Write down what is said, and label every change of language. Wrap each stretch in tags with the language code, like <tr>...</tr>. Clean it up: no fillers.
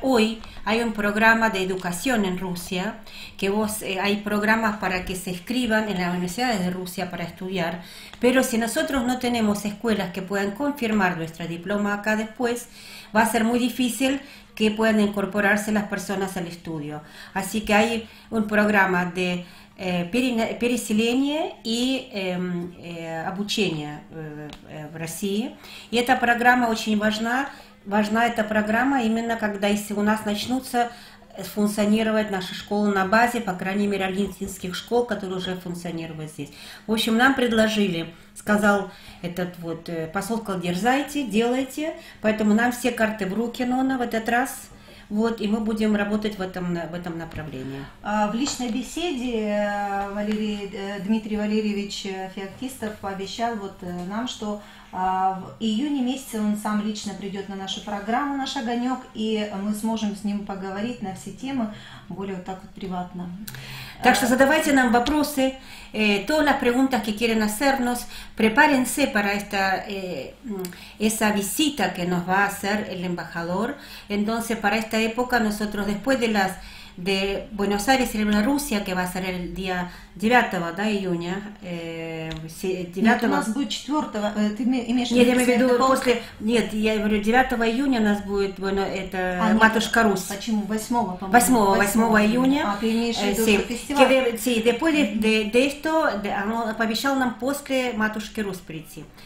<es>Hoy hay un programa de educación en Rusia, que hay programas para que se inscriban en las universidades de Rusia para estudiar, pero si nosotros no tenemos escuelas que puedan confirmar nuestro diploma acá después, va a ser muy difícil que puedan incorporarse las personas al estudio. Así que hay un programa de</es> <ru>переселение и обучение в России. И эта программа очень важна. Важна эта программа именно когда, если у нас начнутся функционировать наши школы на базе, по крайней мере, олимпийских школ, которые уже функционируют здесь. В общем, нам предложили, сказал этот вот посол, сказал, дерзайте, делайте. Поэтому нам все карты в руки, Нона, в этот раз. Вот, и мы будем работать в этом направлении. В личной беседе Дмитрий Валерьевич Феоктистов пообещал вот нам, что в июне месяце он сам лично придет на нашу программу «Наш огонек», и мы сможем с ним поговорить на все темы более вот так вот приватно. Так что задавайте нам вопросы,</ru> <es>todas las preguntas que quieren hacernos, prepárense para esa visita que nos va a hacer el embajador. Entonces, para esta época, nosotros después de Buenos Aires y de Rusia, que va a ser el día 9, ¿da?</es> <ru>Июня. Нет, у нас будет 4, ты имеешь в виду после... Нет, я говорю, 9 июня у нас будет Матушка Русь. Почему? 8, по-моему. 8 июня. А ты имеешь в виду фестиваль?</ru> <es>Sí, después de esto,</es> <ru>он пообещал нам после Матушки Русь прийти.</ru>